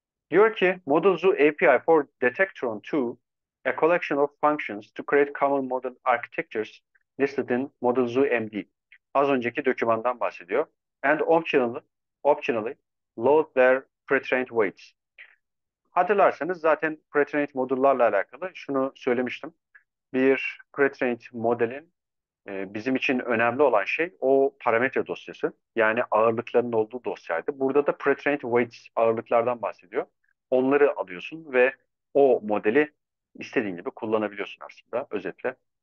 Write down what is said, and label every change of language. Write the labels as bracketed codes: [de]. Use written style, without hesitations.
[tr] Diyor ki, [en] Model Zoo API for Detektron 2, a collection of functions to create common model architectures listed in Model Zoo MD. [tr] Az önceki dokümandan bahsediyor. [en] And optionally load their pre-trained weights. [tr] Hatırlarsanız zaten pre-trained modüllerle alakalı şunu söylemiştim. Bir pre-trained modelin bizim için önemli olan şey o parametre dosyası. Yani ağırlıkların olduğu dosyaydı. Burada da pre-trained weights ağırlıklardan bahsediyor. Onları alıyorsun ve o modeli istediğin gibi kullanabiliyorsun aslında özetle.